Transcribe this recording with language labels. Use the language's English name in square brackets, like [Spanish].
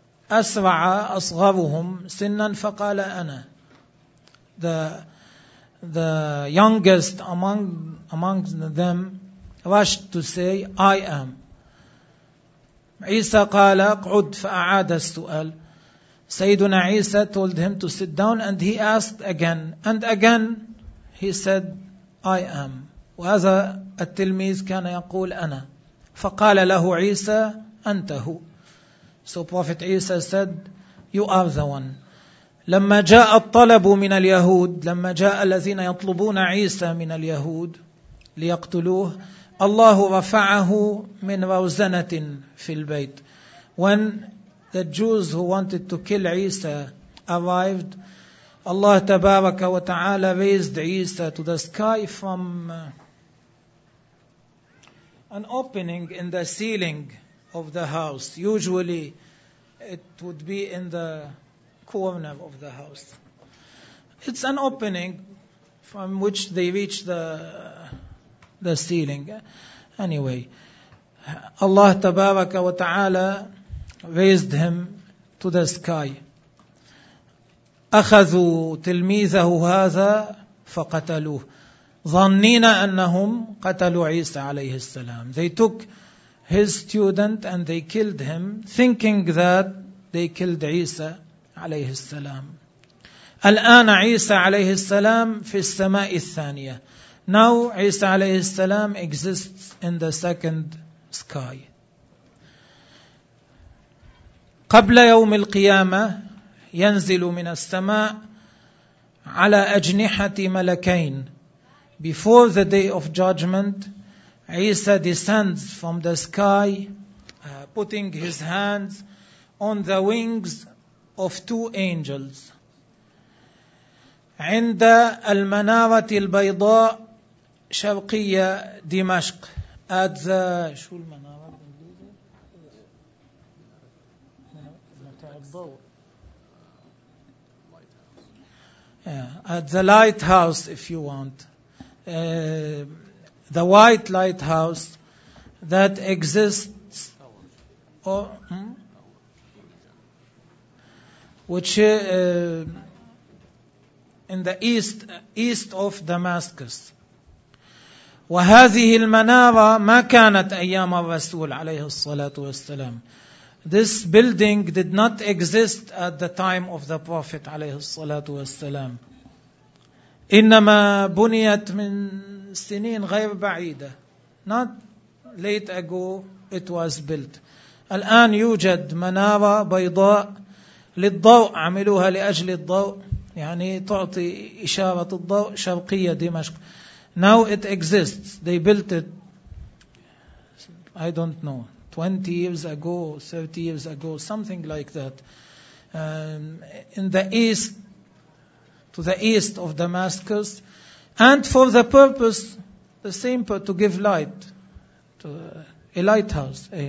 [Arabic] أسرع أصغرهم سنا فقال أنا. [English] The youngest among them rushed to say, I am. [Arabic] عيسى قال اقعد فأعاد السؤال. [English] سيدنا عيسى told him to sit down and he asked again. And again he said, I am. [Arabic] وهذا التلميذ كان يقول أنا. فقال له عيسى أنت هو. [English] So Prophet Isa said, you are the one. [Arabic] لما جاء الطلب من اليهود, لما جاء الذين يطلبون عيسى من اليهود ليقتلوه, الله رفعه من روزنة في البيت. [English] When the Jews who wanted to kill Isa arrived, Allah [Arabic] تبارك وتعالى [English] raised Isa to the sky from an opening in the ceiling of the house. Usually it would be in the corner of the house. It's an opening from which they reach the ceiling. Anyway, Allah [Arabic] tabaraka wa ta'ala [English] raised him to the sky. [Arabic] أخذوا تلميذه هذا فقتلوه ظنين أنهم قتلوا عيسى عليه السلام. [English] They took his student and they killed him, thinking that they killed عيسى [Arabic] عليه السلام. الآن عيسى عليه السلام في السماء الثانية. [English] Now عيسى [Arabic] عليه السلام [English] exists in the second sky. [Arabic] قبل يوم القيامة ينزل من السماء على أجنحة ملكين. [English] Before the day of judgment, Isa descends from the sky, putting his hands on the wings of two angels. [Arabic] عند المنارة البيضاء شرقية دمشق. [English] At the Shulman. Yeah, at the lighthouse, if you want. The white lighthouse that exists, which in the east of Damascus. [Arabic] وهذه المنارة ما كانت أيام الرسول عليه الصلاة والسلام. [English] This building did not exist at the time of the Prophet [Arabic] عليه الصلاة والسلام. إنما بنيت من سنين غير بعيدة. [English] Not late ago it was built. [Arabic] الآن يوجد منارة بيضاء للضوء, عملوها لأجل الضوء, يعني تعطي إشارة الضوء, شرقية دمشق. [English] Now it exists. They built it, I don't know, 20 years ago, 30 years ago, something like that. In the east, to the east of Damascus, and for the purpose, the same, to give light, to a lighthouse.